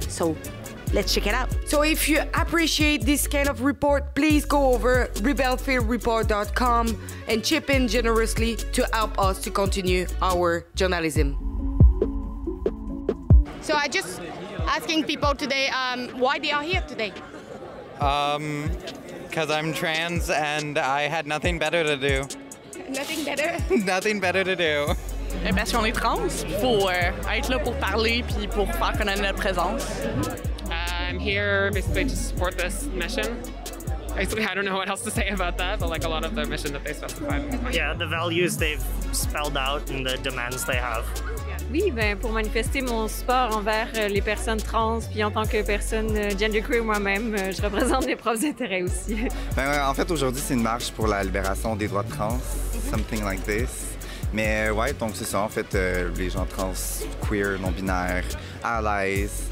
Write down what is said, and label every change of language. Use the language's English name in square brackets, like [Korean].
[English] So let's check it out. So if you appreciate this kind of report, please go over rebelfieldreport.com and chip in generously to help us to continue our journalism. So I just asking people today why they are here today. Because I'm trans and I had nothing better to do. Nothing better? Nothing better to do. [French] Eh bien, si on est trans, il faut être là pour parler puis pour faire connaître notre présence. [English] I'm here basically to support this mission. Basically, I don't know what else to say about that, but like a lot of the mission that they specified. Yeah, the values they've spelled out and the demands they have. [French] Oui, ben pour manifester mon support envers les personnes trans, puis en tant que personne genderqueer moi-même, je représente les profs d'intérêt aussi. Ben en fait aujourd'hui c'est une marche pour la libération des droits de trans, [English] something like this. [French] Mais ouais, donc c'est ça en fait les gens trans, queer, non binaires, allies.